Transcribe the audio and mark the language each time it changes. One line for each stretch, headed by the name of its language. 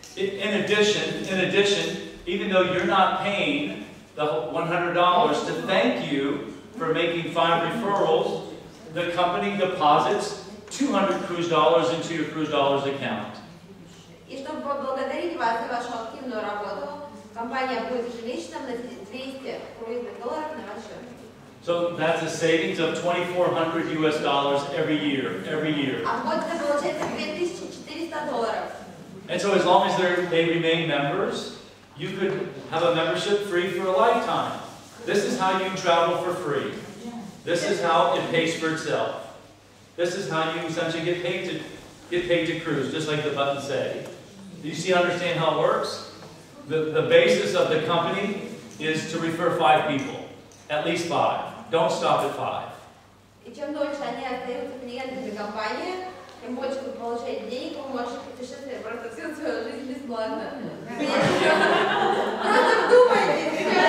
English: In addition, even though you're not paying the $100 to thank you for making 5 referrals, the company deposits $200 into your cruise dollars account.
Russian: И чтобы поблагодарить вас за вашу активную работу, компания будет ежемесячно вносить $200 на ваш счет.
English: So that's a savings of $2,400 every year.
Russian: А вот это получается $2,400.
English: And so as long as they remain members, you could have a membership free for a lifetime. This is how you travel for free. This is how it pays for itself. This is how you essentially get paid to get paid to cruise, just like the button said. Do you see, understand how it works? The basis of the company is to refer five people, at least five. Don't stop at five.
Russian: И чем дольше они остаются клиентами компании, тем больше вы получаете денег, вы можете путешествовать просто всю свою жизнь бесплатно. Просто вдумайтесь!